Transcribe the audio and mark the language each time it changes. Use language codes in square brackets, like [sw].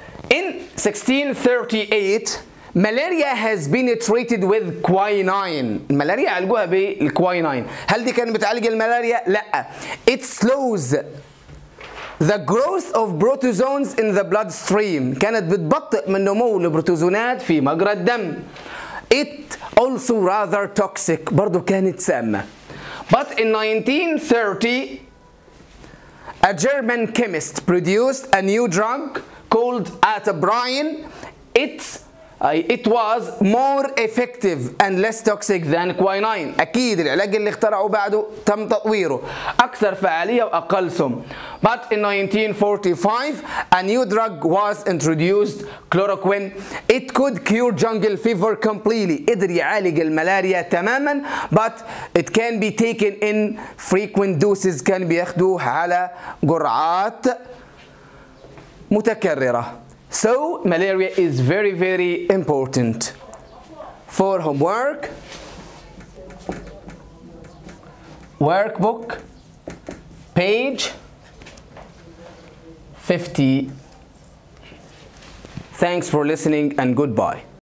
[en] In 1638, malaria has been treated with quinine. [ar] Malaria علقوها بالquinine. هل دي كان بتعالج الملاريا؟ لا. [en] It slows the growth of protozoans in the bloodstream. [ar] كانت بتبطئ من نمو البروتوزونات في مجرى الدم. [en] It also rather toxic. [ar] برضو كانت سامة. [en] But in 1930, a German chemist produced a new drug called atabrine. It was more effective and less toxic than quinine. [ar] أكيد العلاج اللي اخترعوا بعده تم تطويره, أكثر فعالية وأقل سم. [en] But in 1945 a new drug was introduced, chloroquine. It could cure jungle fever completely. [ar] قدر يعالج الملاريا تماما. [en] But it can be taken in frequent doses. [ar] كان بياخدوه على جرعات متكررة. [en] So malaria is very very important. For homework, workbook page 50. Thanks for listening and goodbye.